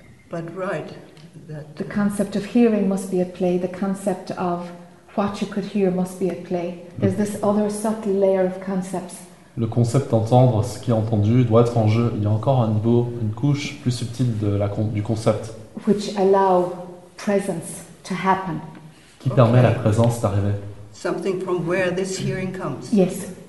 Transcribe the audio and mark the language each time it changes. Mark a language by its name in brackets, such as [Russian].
[English] But right, that the concept of hearing must be at play. The concept of what you could hear must be at play. There's this other subtle layer of concepts. [French] Le concept d'entendre ce qui est entendu doit être en jeu. Il y a encore un niveau, une couche plus subtile de du concept. [English] Which allow presence to happen. [French] Qui permet la présence d'arriver. [English] Something from where this hearing comes. Yes.